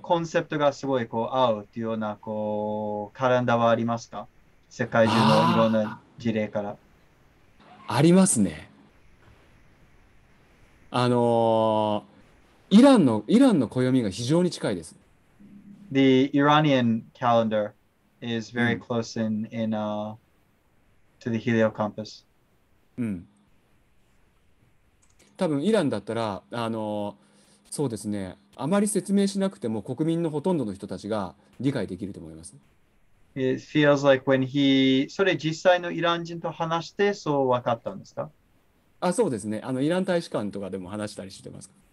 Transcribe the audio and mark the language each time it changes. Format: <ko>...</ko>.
<ja>コンセプトがすごいこう合うっていうようなこうカレンダーはありますか？世界中のいろんな事例から。ありますね。イランの暦が非常に近いです。</ja> <en>The Iranian calendar is very close to the Helio Compass. うん。</en> <ja>多分イランだったらそうですね。あまり説明しなくても国民のほとんどの人たちが理解できると思います。</ja> <en>It feels like when he</en> <ja>それ実際のイラン人と話してそう分かったんですか？あ、そうですね。イラン大使館とかでも話したりしてます。</ja>